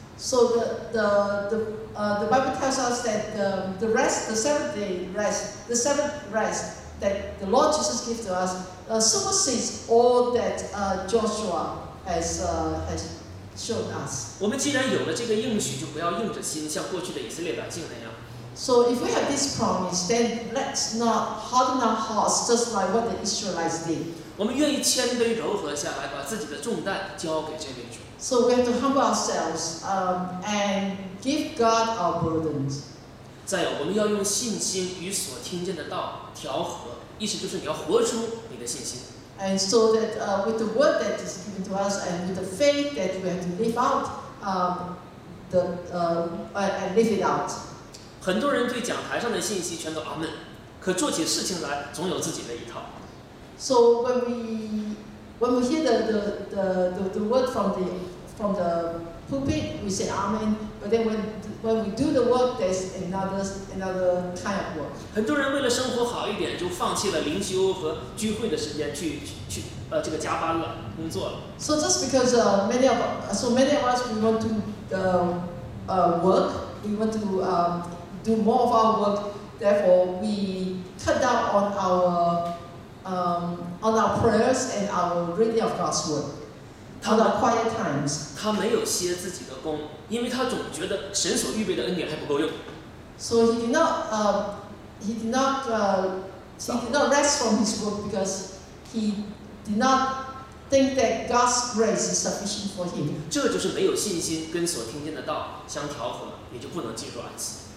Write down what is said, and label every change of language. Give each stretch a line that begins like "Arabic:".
English: So the Bible tells us that the rest, the seventh day rest, the seventh rest that the Lord Jesus gave to us. Supersedes all that Joshua has shown us.
Chinese: 我们既然有了这个应许，就不要硬着心，像过去的以色列百姓那样。
English: So if we have this promise, then let's not harden our hearts just like what the Israelites did.
Chinese: 我们愿意谦卑柔和下来，把自己的重担交给这位主。
English: So we have to humble ourselves, and give God our burdens.
Chinese: 再有，我们要用信心与所听见的道调和。意思就是你要活出你的信心。
English: And so that with the word that is given to us and with the faith that we have to live out, and live it out.
Chinese: 很多人对讲台上的信息全都阿门，可做起事情来总有自己的一套。
English: So when we hear the word from the pulpit, we say amen. But then when we do the work, there's another kind of work.
Chinese: 很多人为了生活好一点，就放弃了灵修和聚会的时间去这个加班了，工作了。
English: So just because many of us we want to work, we want to do more of our work. Therefore, we cut cut down on our prayers and our reading of God's word.
Chinese: 他
English: 的 quiet times，
Chinese: 他没有歇自己的功，因为他总觉得神所预备的恩典还不够用。
English: So he did not he did not rest from his work because he did not think that God's grace is sufficient for him.
Chinese: 这就是没有信心跟所听见的道相调和，也就不能进入安息。